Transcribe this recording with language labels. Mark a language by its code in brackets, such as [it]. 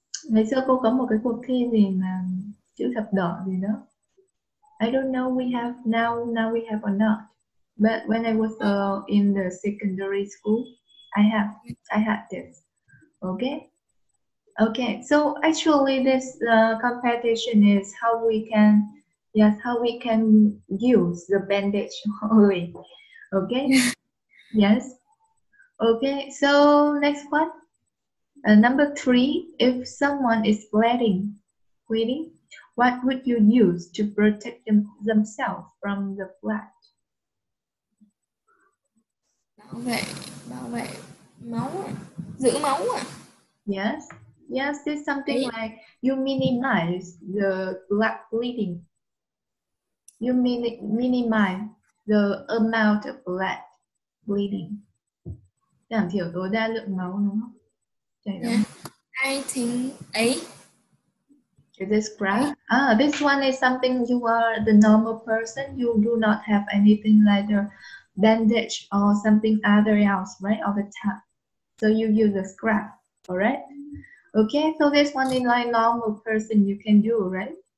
[vi] Ngày xưa cô có một cái cuộc thi gì mà chữ thập đỏ gì đó. [en] I don't know we have now we have or not. But when I was in the secondary school, I had this. Okay? Okay. So actually this competition is how we can use the bandage only. Okay. Yeah. Yes. Okay. So next one. Number three. If someone is bleeding, what would you use to protect themselves from the blood? [vi] Bảo vệ máu, giữ máu. [en] Yes. Yes. It's something like you minimize the blood bleeding. You minimize the amount of blood bleeding. [vi] Giảm thiểu tối đa lượng máu, đúng không? Chảy máu. [en] I think A. Is this correct? This one is something you are the normal person. You do not have anything like a bandage or something other else, right? All the time. So you use the scrap, all right? Okay, so this one is like normal person you can do, right?